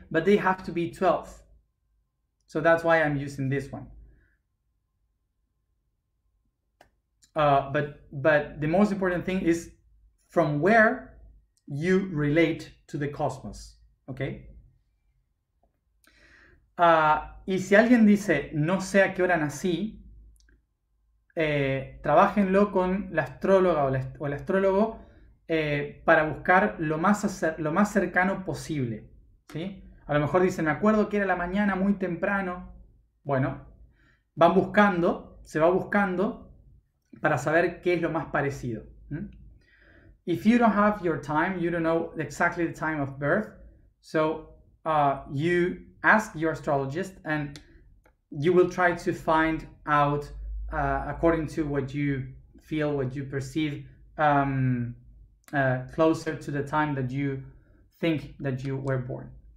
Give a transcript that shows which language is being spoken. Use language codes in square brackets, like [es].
[en] But they have to be 12. So that's why I'm using this one. But the most important thing is from where you relate to the cosmos, okay? [es] Y si alguien dice, no sé a qué hora nací, trabájenlo con la astróloga o el astrólogo para buscar lo más cercano posible, ¿sí? A lo mejor dicen, me acuerdo que era la mañana muy temprano. Bueno, van buscando, se va buscando para saber qué es lo más parecido. [en] If you don't have your time, you don't know exactly the time of birth, so you ask your astrologist and you will try to find out according to what you feel, what you perceive, closer to the time that you think that you were born.